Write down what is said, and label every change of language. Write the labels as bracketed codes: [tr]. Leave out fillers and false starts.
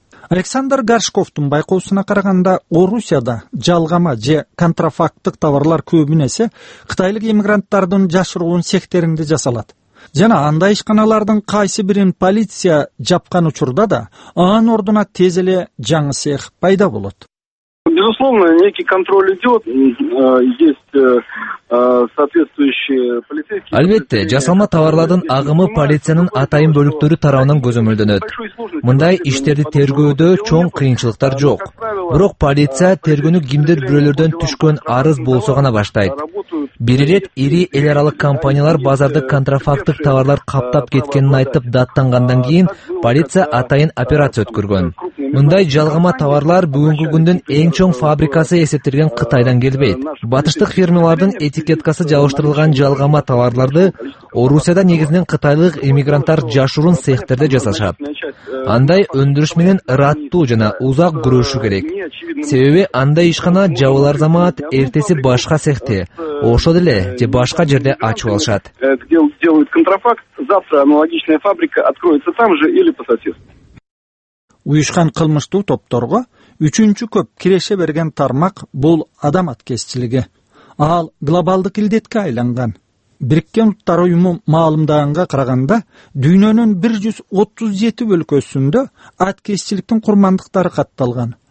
[ky] Александр Гаршковтун байкоосуна караганда Орусияда жалгама же контрафактык товарлар көбүн эсе кытайлык иммигранттардын жашыруун сектеринде жасалат. Жана андай ишканалардын кайсы бирин полиция жапкан учурда да анын ордуна тез эле жаңы сех пайда болот. [ru] Безусловно, некий контроль идет, есть соответствующие полицейские... [ky] Албетте, жасалма товарлардын агымы полициянын атайын бөлүктөрү тарабынан көзөмөлдөнөт. Мындай иштерди тергөөдө чоң кыйынчылыктар жок. Бирок полиция тергөөнү кимдер бирөөлөрдөн түшкөн арыз болсо гана баштайт. Бир ирет ири эл аралык компаниялар базарды контрафактык товарлар каптап кеткенин айтып даттангандан кийин полиция атайын операция өткөргөн. Мындай жалгама товарлар бүгүнкү күндүн эң чоң фабрикасы эсептелген Кытайдан келбейт. Батыштык фирмалардын этикеткасы жабыштырылган жалгама товарларды Орусияда негизинен кытайлык эмигранттар жашыруун цехтерде жасашат. Андай өндүрүш менен ыраттуу жана узак күрөшүү керек. Себеби андай ишкана жабылар замат эртеси башка цехте, ошол эле же башка жерде ачып алышат. [ru] Контрафакт завтра аналогичная фабрика откроется там же или по соседству. [ky] Уюшкан кылмыштуу топторго үчүнчү көп киреше берген тармак бул адам аткезчилиги. Ал глобалдык илдетке айланган. Бириккен Улуттар Уюму маалымдаганга караганда дүйнөнүн 137 өлкөсүндө аткезчиликтин курмандыктары катталган.